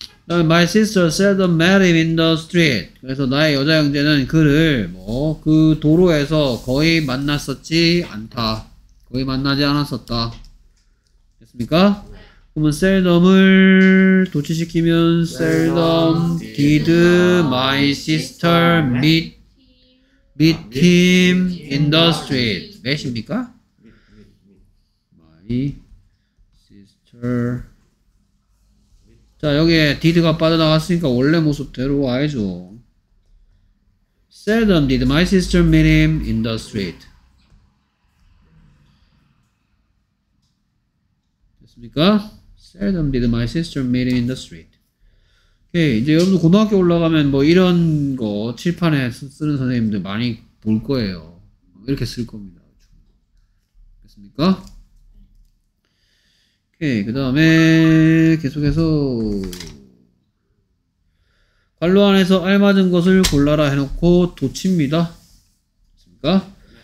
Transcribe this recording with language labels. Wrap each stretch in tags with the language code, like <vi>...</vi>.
<en>My sister seldom met him in the street.</en> <ko>그래서 나의 여자 형제는 그를 뭐 그 도로에서 거의 만났었지 않다. 거의 만나지 않았었다. 됐습니까? 그러면</ko> <en>seldom을 도치시키면 seldom did my sister meet him in the street.</en> <ko>몇입니까?</ko> <en>My sister.</en> <ko>자, 여기에 did가 빠져나갔으니까 원래 모습대로 와야죠.</ko> <en>Seldom did my sister meet him in the street.</en> <ko>됐습니까?</ko> <en>Seldom did my sister meet him in the street.</en> <ko>오케이. 이제 여러분 고등학교 올라가면 뭐 이런 거 칠판에 쓰는 선생님들 많이 볼 거예요. 이렇게 쓸 겁니다. 됐습니까? 오케이. 그 다음에 계속해서 관로 안에서 알맞은 것을 골라라 해놓고 도치입니다. 됐습니까?</ko>